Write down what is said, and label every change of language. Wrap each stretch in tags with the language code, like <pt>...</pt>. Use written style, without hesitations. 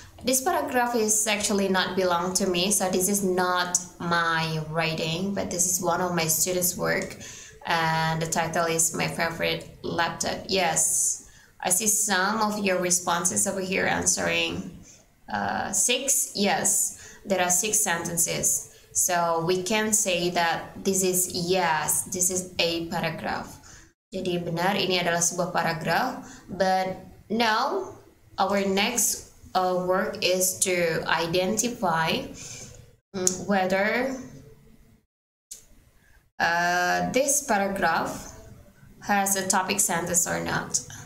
<en>This paragraph is actually not belong to me, so this is not my writing, but this is one of my students' work, and the title is My Favorite Laptop. Yes, I see some of your responses over here answering six. Yes, there are six sentences. So we can say that this is, yes, this is a paragraph.</en> <id>Jadi benar, ini adalah sebuah paragraph.</id> <en>But now, our next work is to identify whether this paragraph has a topic sentence or not.</en>